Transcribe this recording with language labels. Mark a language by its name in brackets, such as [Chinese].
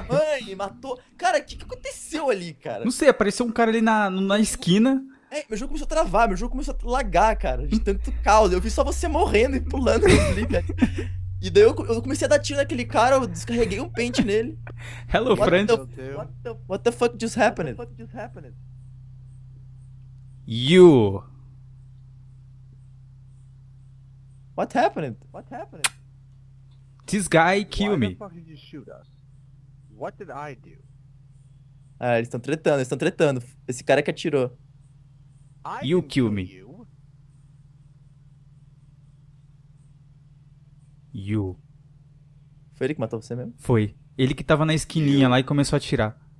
[Portuguese] mãe! Matou! Cara, o que aconteceu ali, cara? Não sei, apareceu um cara ali na esquina. É, meu jogo começou a travar, meu jogo começou a lagar, cara, de tanto caos. Eu vi só você morrendo e pulando no clipe. E daí eu comecei a dar tiro naquele cara, eu descarreguei um pente nele. [English] Hello, what friend. What the fuck just happened? What the fuck just happened? You. What happened? What happened? This guy killed me. Why the fuck did you shoot us? What did I do? [Portuguese] Ah, eles estão tretando, eles estão tretando. Esse cara que atirou. [English] You killed me. You. [Portuguese] Foi ele que matou você mesmo? Foi. Ele que tava na esquininha lá e começou a atirar.